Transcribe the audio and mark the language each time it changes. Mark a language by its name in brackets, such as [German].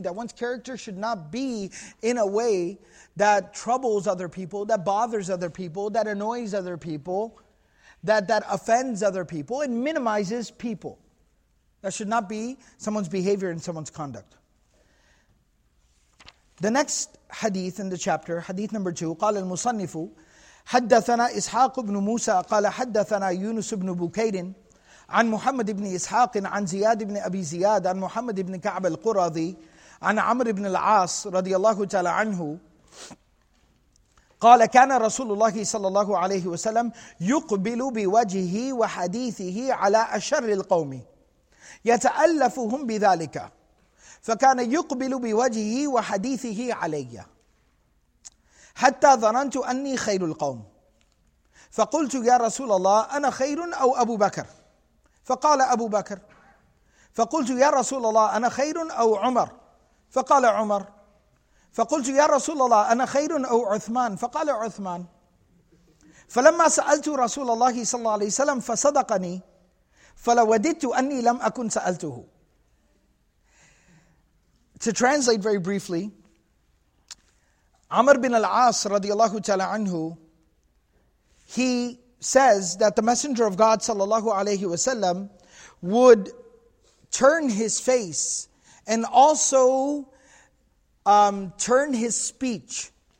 [English] That one's character should not be in a way that troubles other people, that bothers other people, that annoys other people, that offends other people, and minimizes people. That should not be someone's behavior and someone's conduct. The next hadith in the chapter, hadith number 2, [Arabic] قال المصنف حدثنا إسحاق بن موسى قال حدثنا يونس بن بكير عن محمد بن إسحاق عن زياد بن أبي زياد عن محمد بن كعب القرظي عن عمرو بن العاص رضي الله تعالى عنه قال كان رسول الله صلى الله عليه وسلم يقبل بوجهه وحديثه على أشر القوم يتألفهم بذلك فكان يقبل بوجهه وحديثه علي حتى ظننت أني خير القوم فقلت يا رسول الله أنا خير أو أبو بكر فقال أبو بكر فقلت يا رسول الله أنا خير أو عمر فقال عمر فقلت يا رسول الله أنا خير أو عثمان فقال عثمان فلما سألت رسول الله صلى الله عليه وسلم فصدقني فلوددت أني لم أكن سألته. [English] To translate very briefly, Amr bin al-As radiallahu ta'ala anhu, he says that the Messenger of God sallallahu alayhi wasallam would turn his face and also turn his speech.